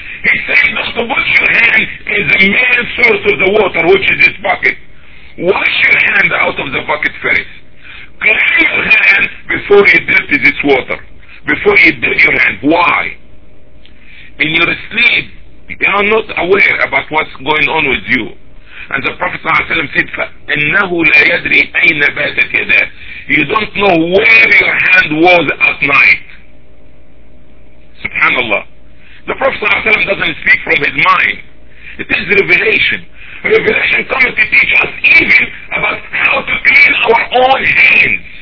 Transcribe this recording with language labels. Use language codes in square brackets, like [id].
[en] He says not to wash your hand in the main source of the water, which is this bucket. Wash your hand out of the bucket first. Clean your hand before you dirty this water. Before you dirty your hand. Why? In your sleep, you are not aware about what's going on with you. And the Prophet ﷺ said, [ar] فَإِنَّهُ لَا يَدْرِي أَيْنَ بَاتَتْ يَدَهُ. [en] You don't know where your hand was at night. Subhanallah. The Prophet ﷺ doesn't speak from his mind. It is revelation. Revelation comes to teach us even about how to clean our own hands.